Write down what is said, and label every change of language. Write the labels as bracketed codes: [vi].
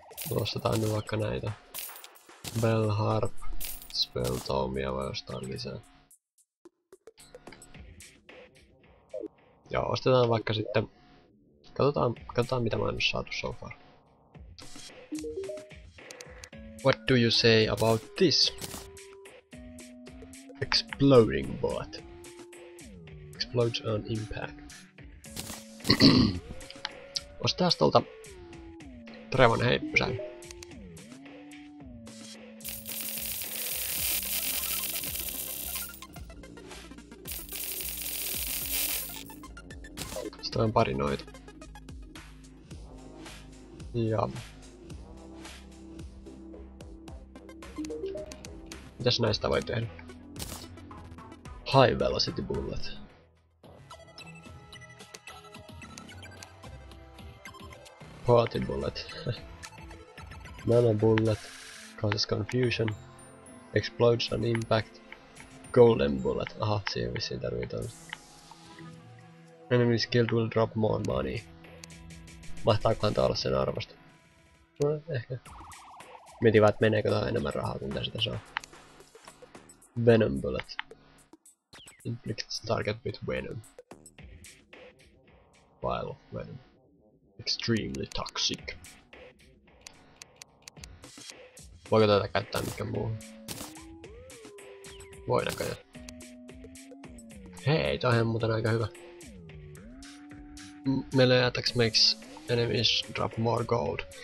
[fi] Ostetaan nyt vaikka näitä. Bell Harp. Spell Tomia vai jostain lisää. Joo, ostetaan vaikka sitten. Katsotaan mitä mä en oo saatu [en] so far. What do you say about this? Exploding bot. Explodes on impact. [fi] Ostetaan tuolta Trevon heippusäin. Tämä on pari noita. Ja... mitäs näistä voi tehdä? [en] High velocity bullet. Party bullet. Mana bullet. Causes confusion. Explodes on impact. Golden bullet. [fi] Aha, siihen vissiin tarvitaan. [en] Enemy skill will drop more money. [fi] Mahtaakohan tää olla sen arvosta? No, ehkä. Mietin vaan, että meneekö tää enemmän rahaa, kuin sitä saa. [en] Venom bullet. Inflicts target with venom. Vial of venom. Extremely toxic. [fi] Voiko tätä käyttää mikään muuhun? Voidaanko jo? Hei, toihan muuten aika hyvä. [en] Melee attacks makes enemies drop more gold.